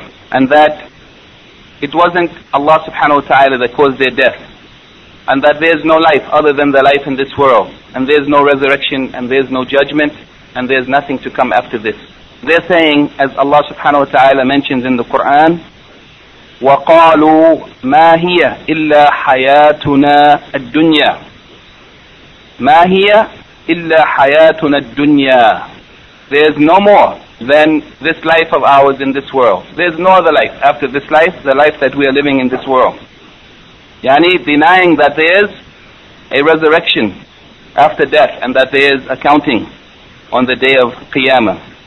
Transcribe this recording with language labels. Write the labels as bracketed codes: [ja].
[en] and that it wasn't Allah subhanahu wa ta'ala that caused their death, and that there's no life other than the life in this world, and there's no resurrection, and there's no judgment, and there's nothing to come after this. They're saying, as Allah subhanahu wa ta'ala mentions in the Quran, [ar] وقالوا ما هي إلا حياتنا الدنيا ما هي إلا حياتنا الدنيا. [en] There is no more than this life of ours in this world. There is no other life after this life, the life that we are living in this world. Yani denying that there is a resurrection after death and that there is accounting on the day of Qiyamah.